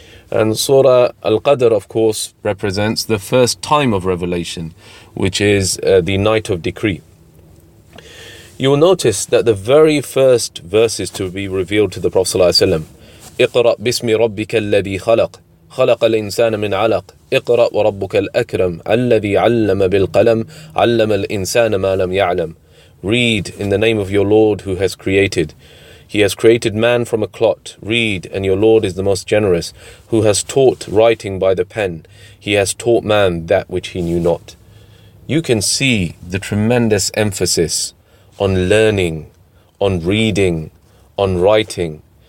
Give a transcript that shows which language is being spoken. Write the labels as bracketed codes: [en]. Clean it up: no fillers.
[en] And Surah Al-Qadr, of course, represents the first time of revelation, which is the night of decree. You will notice that the very first verses to be revealed to the Prophet [ar] صلى الله عليه وسلم, اقرأ باسم ربك الذي خلق, خلق الإنسان من علق, اقرأ وربك الأكرم, الذي علم بالقلم, علم الإنسان ما لم يعلم. [en] Read in the name of your Lord who has created. He has created man from a clot. Read, and your Lord is the most generous, who has taught writing by the pen. He has taught man that which he knew not. You can see the tremendous emphasis on learning, on reading, on writing.